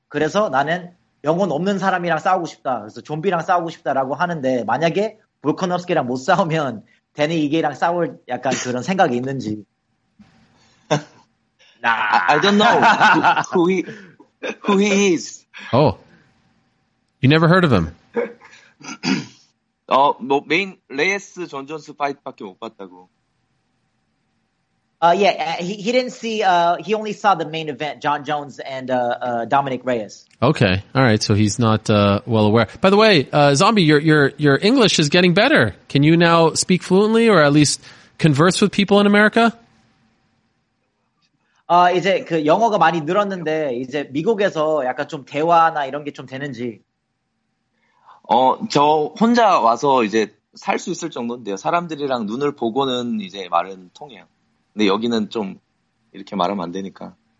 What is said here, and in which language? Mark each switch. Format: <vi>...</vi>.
<ko>그래서 나는 영혼 없는 사람이랑 싸우고 싶다. 그래서 좀비랑 싸우고 싶다라고 하는데 만약에 볼커넙스키랑 못 싸우면 데니 이게랑 싸울 약간 그런 생각이 있는지.</ko> <en>I don't know who he is. Oh, you never heard of him?</en> <ko>뭐 메인 레이스 존 존스 파이트밖에 못 봤다고.</ko> <en>Yeah, he didn't see, he only saw the main event, John Jones and Dominic Reyes. Okay, all right, so he's not well aware. By the way, Zombie, your English is getting better. Can you now speak fluently or at least converse with people in America?</en> <ko>이제 그 영어가 많이 늘었는데 이제 미국에서 약간 좀 대화나 이런 게 좀 되는지. 저 혼자 와서 이제 살 수 있을 정도인데요. 사람들이랑 눈을 보고는 이제 말은 통해요. 근데 여기는 좀 이렇게 말하면 안 되니까.</ko>